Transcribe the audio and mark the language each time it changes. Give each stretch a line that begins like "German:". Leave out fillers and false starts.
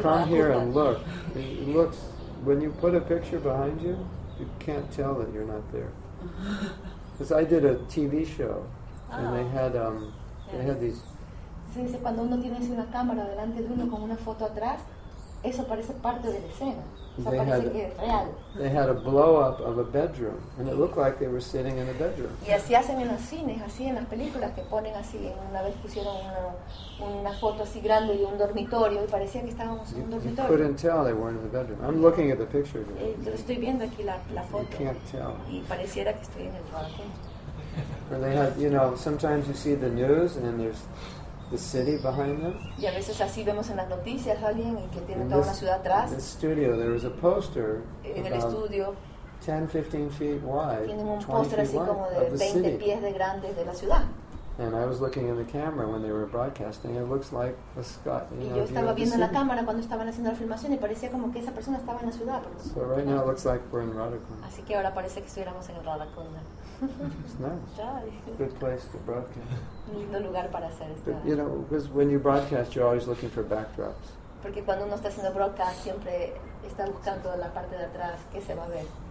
English: come here and look, it looks, when you put a picture behind you, you can't tell that you're not there. Because I did a TV show, and they had these...
Spanish: Dice, cuando uno tiene una cámara delante de uno con una foto atrás, eso parece parte de la escena.
English: They
Spanish: parece que es real.
English: They had a blow up of a bedroom and it looked like they were sitting in a bedroom.
Spanish: Y así hacen en los cines, así en las películas, que ponen así, una vez pusieron una foto así grande y un dormitorio y parecía que estábamos en un dormitorio.
English: You couldn't tell they weren't in the bedroom. I'm looking at the picture.
Spanish: Yo estoy viendo aquí la foto.
English: You can't tell.
Spanish: Y pareciera que estoy en el parque.
English: Or they had, you know, sometimes you see the news and there's the city behind them.
Spanish: Y a veces así vemos en las noticias alguien y que tiene toda una ciudad atrás.
English: In this studio, there was a poster.
Spanish: En el estudio.
English: 10-15 feet wide.
Spanish: Tienen un póster así como de 20 pies de grande de la ciudad.
English: And I was looking in the camera when they were broadcasting. It looks like a sky.
Spanish: Y yo estaba viendo la cámara cuando estaban haciendo la filmación y parecía como que esa persona estaba en la ciudad.
English: So right now it looks like we're in Radhakund.
Spanish: Así que ahora parece que estuviéramos en Radhakund.
English: It's nice. Good place to broadcast.
Spanish: Lindo lugar para hacer esto.
English: But, you know, because when you broadcast, you're always looking for backdrops.
Spanish: Porque cuando uno está haciendo broadcast, siempre está buscando la parte de atrás, qué se va a ver.